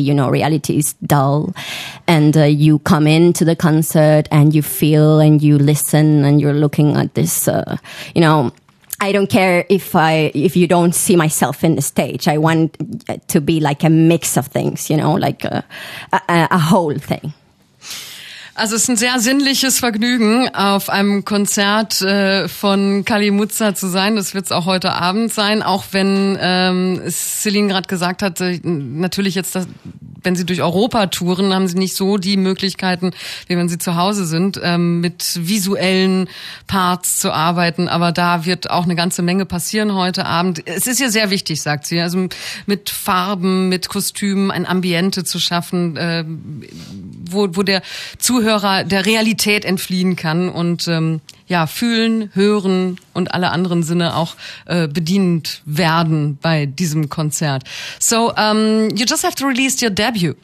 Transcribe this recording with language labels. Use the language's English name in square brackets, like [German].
[English] You know, reality is dull, and you come into the concert and you feel and you listen and you're looking at this, you know, I don't care if you don't see myself in the stage. I want to be like a mix of things, you know, like a whole thing. [German] Also es ist ein sehr sinnliches Vergnügen, auf einem Konzert von Kali Mutza zu sein. Das wird es auch heute Abend sein, auch wenn Celine gerade gesagt hat, natürlich jetzt, das, wenn sie durch Europa touren, haben sie nicht so die Möglichkeiten, wie wenn sie zu Hause sind, mit visuellen Parts zu arbeiten. Aber da wird auch eine ganze Menge passieren heute Abend. Es ist ja sehr wichtig, sagt sie, also mit Farben, mit Kostümen ein Ambiente zu schaffen, wo der Zuhörer der Realität entfliehen kann und ja, fühlen, hören und alle anderen Sinne auch bedient werden bei diesem Konzert. [English] So, you just have to release your debut.